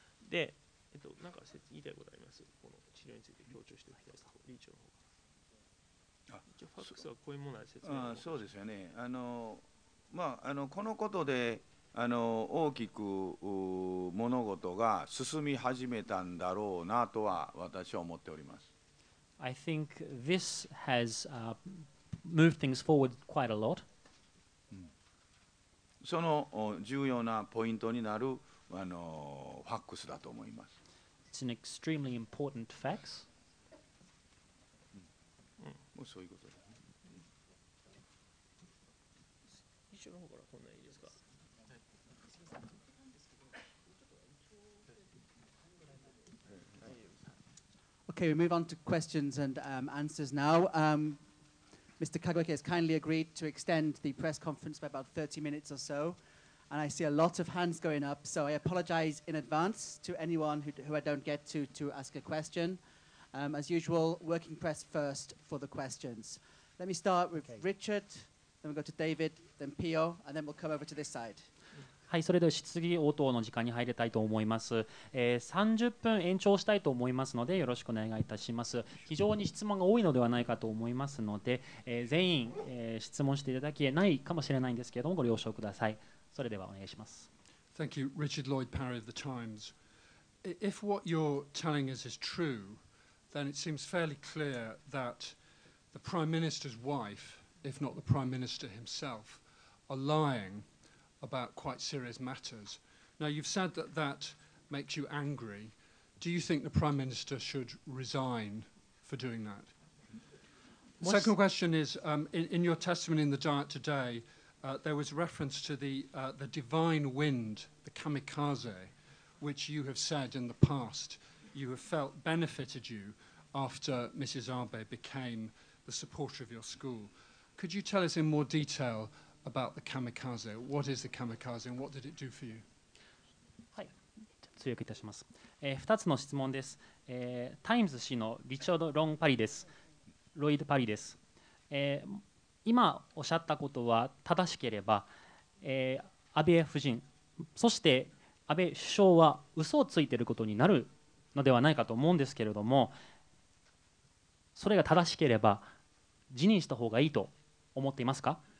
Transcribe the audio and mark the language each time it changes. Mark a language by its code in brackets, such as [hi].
[ja] で、なんか言いたいことあります。この治療について強調しておきたいと、理事長の方が。ファックスはこういうものは説明あ。そうですよね。このことで大きく物事が進み始めたんだろうなとは私は思っております。 [en] I think this has moved things forward quite a lot. [ja] その重要なポイントになるファックスだと思います。 [en] It's an extremely important fax. [ja] もうそういうこと。 [en] Okay, we move on to questions and answers now. Mr. Kagweke has kindly agreed to extend the press conference by about 30 minutes or so. And I see a lot of hands going up, so I apologize in advance to anyone who I don't get to ask a question. As usual, working press first for the questions. Let me start with okay. Richard, then we'll go to David, then Pio, and then we'll come over to this side. [ja] はい、それでは質疑応答の時間に入りたいと思います、30分延長したいと思いますのでよろしくお願いいたします。非常に質問が多いのではないかと思いますので、全員、質問していただけないかもしれないんですけれどもご了承ください。それではお願いします。 [en] Thank you, Richard Lloyd Parry of the Times. If what you're telling us is true, then it seems fairly clear that the Prime Minister's wife, if not the Prime Minister himself, are lyingabout quite serious matters. Now, you've said that that makes you angry. Do you think the Prime Minister should resign for doing that? Second question is, in your testimony in the Diet today, there was reference to the divine wind, the kamikaze, which you have said in the past you have felt benefited you after Mrs. Abe became the supporter of your school. Could you tell us in more detail? About the kamikaze. What is the kamikaze and what did it do for you? [ja] はい、強くいたします。2つの質問です。タイムズ氏のリチャード・ロン・パリです。ロイド・パリです。今おっしゃったことは正しければ、安倍夫人、そして安倍首相は嘘をついていることになるのではないかと思うんですけれども、それが正しければ辞任した方がいいと思っていますか？